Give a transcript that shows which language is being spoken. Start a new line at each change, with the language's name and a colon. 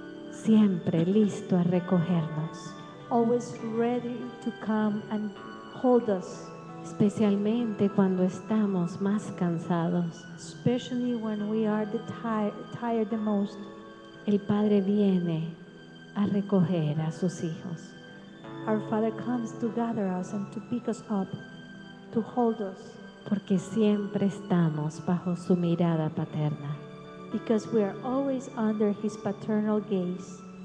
Spanish: Siempre listo a recogernos.
English: Always ready to come and hold us.
Spanish: Especialmente cuando estamos más cansados.
English: Especially when we are the tired the most.
Spanish: El Padre viene a recoger a sus hijos.
English: Our Father comes to gather us and to pick us up, to hold us.
Spanish: Porque siempre estamos bajo su mirada paterna.
English: Because we are always under his paternal gaze.